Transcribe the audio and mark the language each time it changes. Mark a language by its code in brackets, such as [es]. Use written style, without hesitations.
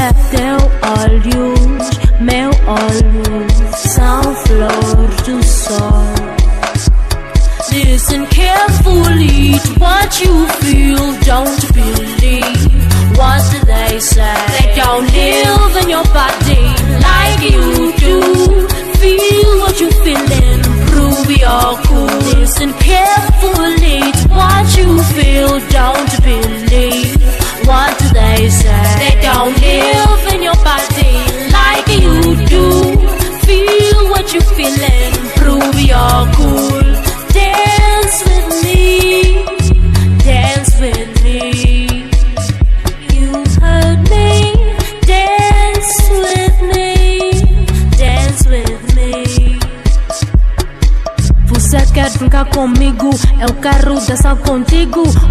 [pt] Teu olhos, meu ouro, são flores do sol. [en] Listen carefully to what you feel. Don't believe what they say. They don't live in your body like you do. Feel what you feel and prove your cool. Listen carefully to what you feel. Don't believe what they say. They don't live in your body like you do. Feel what you feel and prove your cool. Dance with me, dance with me. You heard me, dance with me, dance with me. [pt] Você quer brincar comigo? Eu quero dançar contigo.